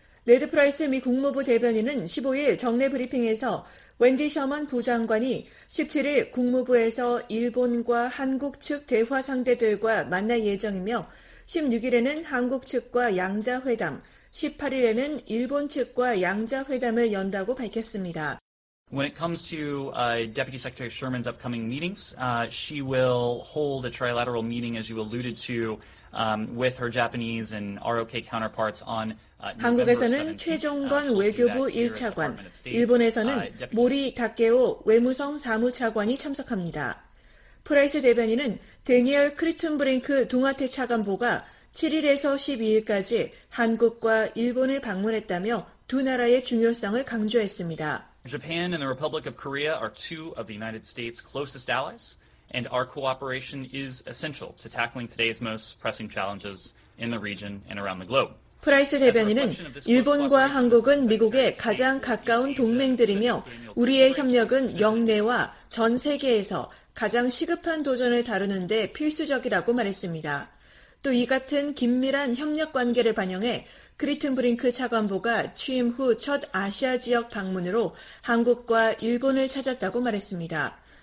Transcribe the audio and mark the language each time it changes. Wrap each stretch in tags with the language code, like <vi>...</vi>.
<ko>레드 프라이스 미 국무부 대변인은 15일 정례 브리핑에서 웬디 셔먼 부장관이 17일 국무부에서 일본과 한국 측 대화 상대들과 만날 예정이며 16일에는 한국 측과 양자회담, 18일에는 일본 측과 양자회담을 연다고 밝혔습니다.</ko> <en>When it comes to Deputy Secretary Sherman's upcoming meetings, she will hold a trilateral meeting as you alluded to with her Japanese and ROK counterparts on</en> <ko>한국에서는 최종건 외교부 1차관, 일본에서는 모리 다케오 외무성 사무차관이 참석합니다. 프라이스 대변인은 대니얼 크리튼브링크 동아태 차관보가 7일에서 12일까지 한국과 일본을 방문했다며 두 나라의 중요성을 강조했습니다.</ko> <en>Japan and the Republic of Korea are two of the United States' closest allies, and our cooperation is essential to tackling today's most pressing challenges in the region and around the globe.</en> <ko>프라이스 대변인은 일본과 한국은 미국의 가장 가까운 동맹들이며 우리의 협력은 영내와 전 세계에서 가장 시급한 도전을 다루는 데 필수적이라고 말했습니다. 또 이 같은 긴밀한 협력 관계를 반영해 크리튼브링크 차관보가 취임 후 첫 아시아 지역 방문으로 한국과 일본을 찾았다고 말했습니다.</ko>